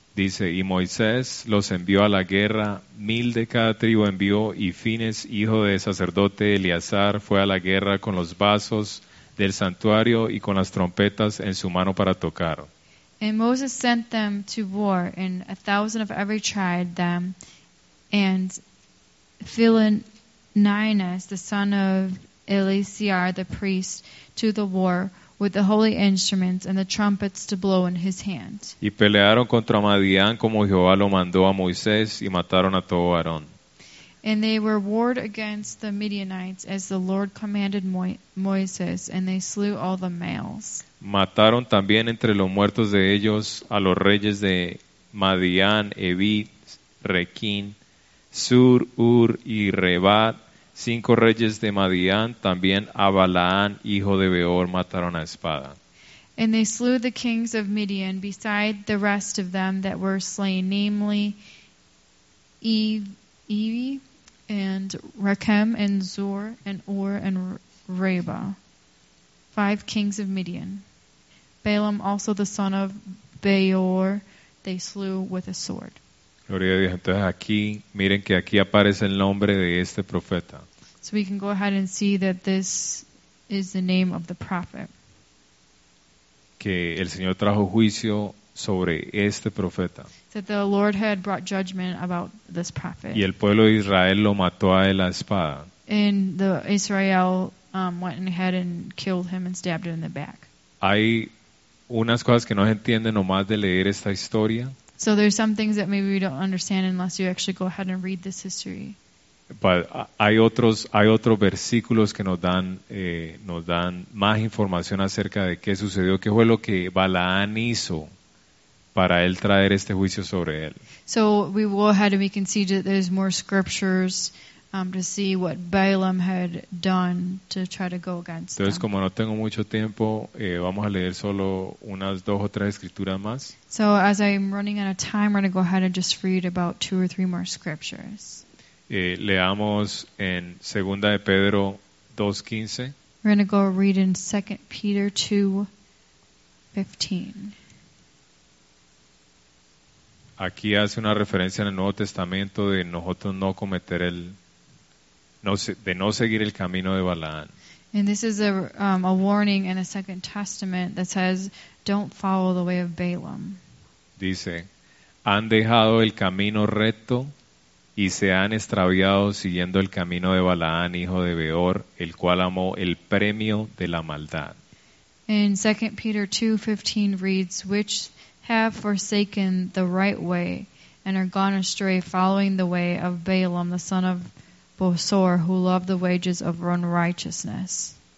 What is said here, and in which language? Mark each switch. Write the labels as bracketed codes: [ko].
[es] Dice, y Moisés los envió a la guerra, 1,000 de cada tribu envió, y Fines, hijo de sacerdote Eleazar, fue a la guerra con los vasos del santuario y con las trompetas en su mano para tocar. [en] And Moses sent them to war, and 1,000 of every tribe them, and Philoninus, the son of Eleazar, the priest, to the war, with the holy instruments and the trumpets to blow in his hand. [es] Y pelearon contra Madian como Jehová lo mandó a Moisés y mataron a todo varón. [en] And they were warred against the Midianites as the Lord commanded Moses, and they slew all the males. [es] Mataron también entre los muertos de ellos a los reyes de Madian, Evi, Rekin, Sur, Ur y Rebat. 5 reyes de Madian, también a Balaán, hijo de Beor, mataron a espada. [en] And they slew the kings of Midian beside the rest of them that were slain, namely Evi, and Rekem, and Zur, and Ur, and Reba. 5 kings of Midian. Balaam, also the son of Beor, they slew with a sword. [es] Gloria a Dios. Entonces aquí, miren que aquí aparece el nombre de este profeta. [en] So we can go ahead and see that this is the name of the prophet. [es] Que el Señor trajo juicio sobre este profeta. [en] That the Lord had brought judgment about this prophet. [es] Y el pueblo de Israel lo mató a él a espada. [en] And the Israel went ahead and killed him and stabbed him in the back. [es] Hay unas cosas que no se entienden nomás de leer esta historia. [en] So there's some things that maybe we don't understand unless you actually go ahead and read this history. But [es] hay otros versículos que nos dan más información acerca de qué sucedió, qué fue lo que Balaán hizo para él traer este juicio sobre él. [en] So we go ahead and we can see that there's more scriptures to see what Balaam had done to try to go against them. [es] Entonces, como no tengo mucho tiempo, vamos a leer solo unas dos o tres escrituras más. [en] So as I'm running out of time, we're going to go ahead and just read about two or three more scriptures. [es] Leamos en 2 de Pedro 2:15. [en] We're going to go read in 2 Peter 2:15. [es] Aquí hace una referencia en el Nuevo Testamento de nosotros no cometer el de no seguir el camino de Balaán. [en] And this is a warning in the Second Testament that says don't follow the way of Balaam. [es] Dice, han dejado el camino recto y se han extraviado siguiendo el camino de Balaán, hijo de Beor, el cual amó el premio de la maldad. [en] In 2 Peter 2:15 reads, which have forsaken the right way and are gone astray following the way of Balaam, the son of Bosor, who loved the wages of unrighteousness.